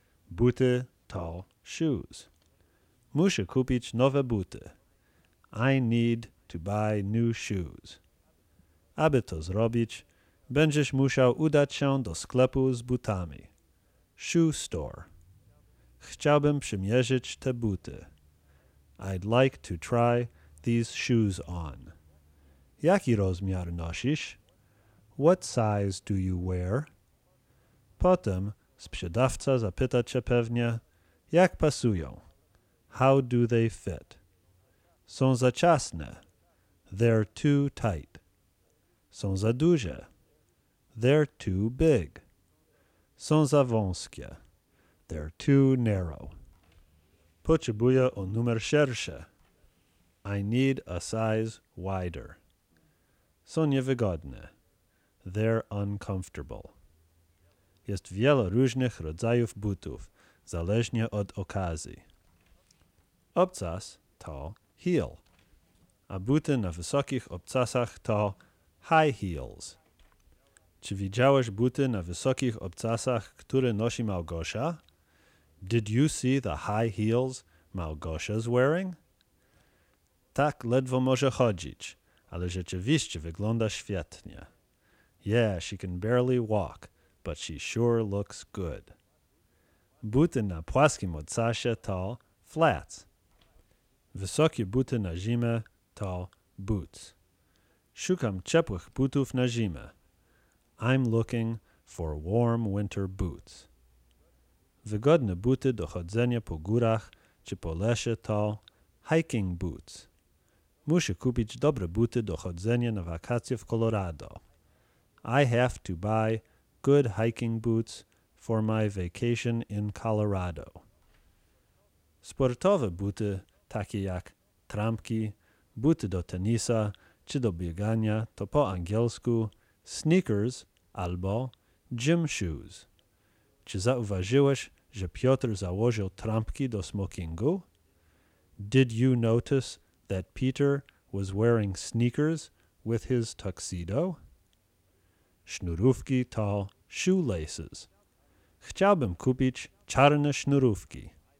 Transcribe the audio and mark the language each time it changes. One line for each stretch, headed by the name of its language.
Polish: Buty to shoes. Muszę kupić nowe buty.
English: I need to buy new shoes.
Polish: Aby to zrobić, będziesz musiał udać się do sklepu z butami. Shoe store. Chciałbym przymierzyć te buty.
English: I'd like to try these shoes on.
Polish: Jaki rozmiar nosisz?
English: What size do you wear?
Polish: Potem sprzedawca zapyta cię pewnie, jak pasują?
English: How do they fit?
Polish: Są za ciasne.
English: They're too tight.
Polish: Są za duże.
English: They're too big.
Polish: Są za wąskie.
English: They're too narrow.
Polish: Potrzebuję o numer szersze.
English: I need a size wider.
Polish: Są niewygodne.
English: They're uncomfortable.
Polish: Jest wiele różnych rodzajów butów, zależnie od okazji. Obcas to heel, a buty na wysokich obcasach to high heels. Czy widziałeś buty na wysokich obcasach, które nosi Małgosia?
English: Did you see the high heels Małgosia's wearing?
Polish: Tak ledwo może chodzić, ale rzeczywiście wygląda świetnie.
English: Yeah, she can barely walk, but she sure looks good.
Polish: Buty na płaskim obcasie to flats. Wysokie buty na zimę to boots. Szukam ciepłych butów na zimę.
English: I'm looking for warm winter boots.
Polish: Wygodne buty do chodzenia po górach czy po lesie to hiking boots. Muszę kupić dobre buty do chodzenia na wakacje w Colorado.
English: I have to buy good hiking boots for my vacation in Colorado.
Polish: Sportowe buty, takie jak trampki, buty do tenisa czy do biegania, to po angielsku sneakers albo gym shoes. Czy zauważyłeś, że Piotr założył trampki do smokingu?
English: Did you notice that Peter was wearing sneakers with his tuxedo?
Polish: Sznurówki to shoelaces. Chciałbym kupić czarne sznurówki.